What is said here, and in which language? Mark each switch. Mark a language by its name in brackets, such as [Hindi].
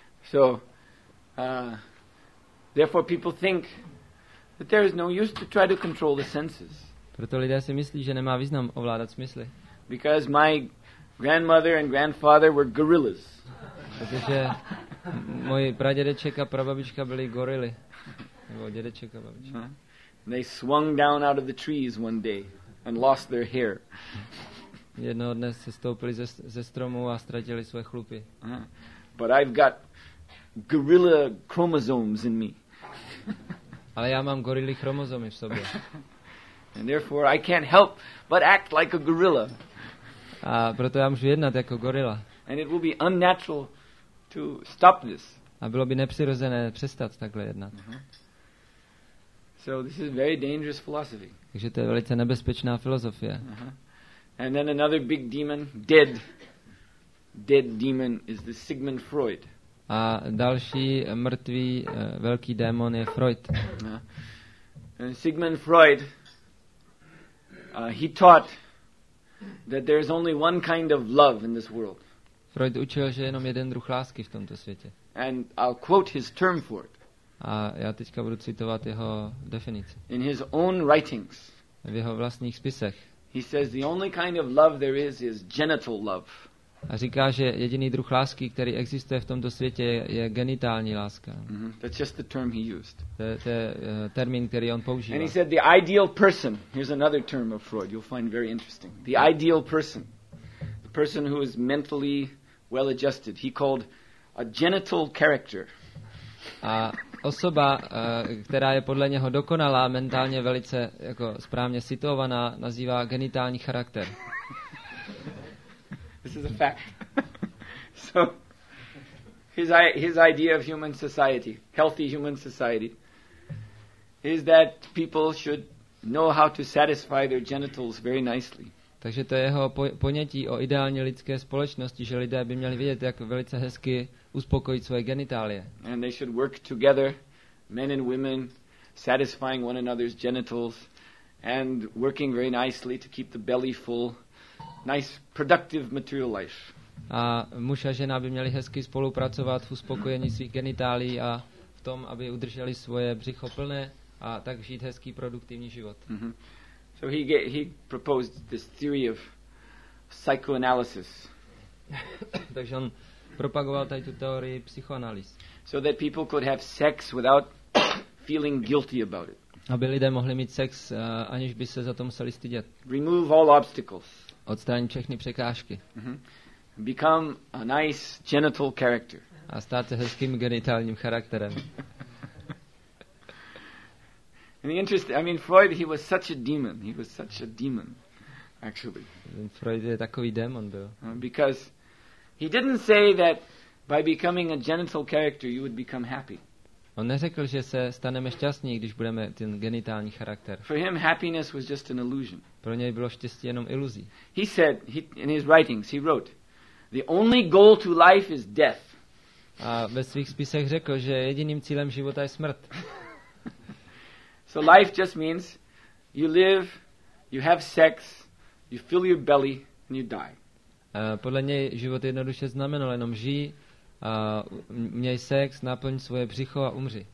[English] So therefore people think that there is no use to try to control the senses. [Czech] Proto lidé si myslí, že nemá význam ovládat smysly. [English] Because my grandmother and grandfather were gorillas. [Czech] Protože moji pradědeček a prababička byli gorily. Nebo dědeček a babička. [English] They swung down out of the trees one day and lost their hair. [Czech] Jednoho dne se stoupili ze stromu a ztratili své chlupy. [English] But I've got gorilla chromosomes in me. [Czech] Ale já mám gorily chromosomy v sobě. [English] And therefore I can't help but act like a gorilla. [Czech] A proto já můžu jednat jako gorila. [English] And it will be unnatural to stop this. [Czech] A bylo by nepřirozené přestat takhle jednat. [English] So this is very dangerous philosophy. [Czech] Takže to je velice nebezpečná filozofie. [English] And then another big demon, dead demon is the Sigmund Freud. [Czech] A další mrtvý velký démon je Freud. [English] And Sigmund Freud, he taught that there is only one kind of love in this world. [Czech] Freud učil, že jenom jeden druh lásky v tomto světě. [English] And I'll quote his term for it. [Czech] A já teďka budu citovat jeho definici. [English] In his own writings. [Czech] V jeho vlastních spisech. [English] He says the only kind of love there is genital love. [Czech] A říká, že jediný druh lásky, který existuje v tomto světě, je genitální láska. [English] That's just the term he used. [Czech] To je termín, který on používá. [English] And he said the ideal person. Here's another term of Freud. You'll find very interesting. The ideal person. The person who is mentally well adjusted. He called a genital character. [Czech] A osoba, která je podle něho dokonalá, mentálně velice jako správně situovaná, nazývá genitální charakter. [English] This is a fact. So his idea of human society, healthy human society, is that people should know how to satisfy their genitals very nicely. [Czech] Takže to je jeho ponětí o ideální lidské společnosti, že lidé by měli vědět, jak velice hezky uspokojit svoje genitálie. [English] And they should work together, men and women, satisfying one another's genitals and working very nicely to keep the belly full. Nice productive material life. [Czech] A muž a žena by měli hezky spolupracovat v uspokojení svých genitálií a v tom, aby udrželi svoje břicho plné a tak žít hezký produktivní život. [English] So he proposed this theory of psychoanalysis. [Czech] Takže on propagoval tady tu teorii psychoanalýz. [English] So that people could have sex without feeling guilty about it. [Czech] Aby lidé mohli mít sex, aniž by se za to museli stydět. [English] Remove all obstacles. [Czech] Odstranit všechny překážky. [English] Become a nice genital character. [Czech] A stát se hezkým genitálním charakterem. [English] And the interesting, I mean Freud, he was such a demon. He was such a demon, actually. [Czech] Freud je takový démon byl. [English] Because he didn't say that by becoming a genital character you would become happy. [Czech] On neřekl, že se staneme šťastní, když budeme ten genitální charakter. [English] For him happiness was just an illusion. [Czech] Pro něj bylo štěstí jenom iluzí. [English] He said in his writings, he wrote, the only goal to life is death. [Czech] A ve svých spisech řekl, že jediným cílem života je smrt. [English] So life just means you live, you have sex, you fill your belly and you die. [Czech] Podle něj život jednoduše znamenal jenom žij, měj sex, naplň svoje břicho a umři.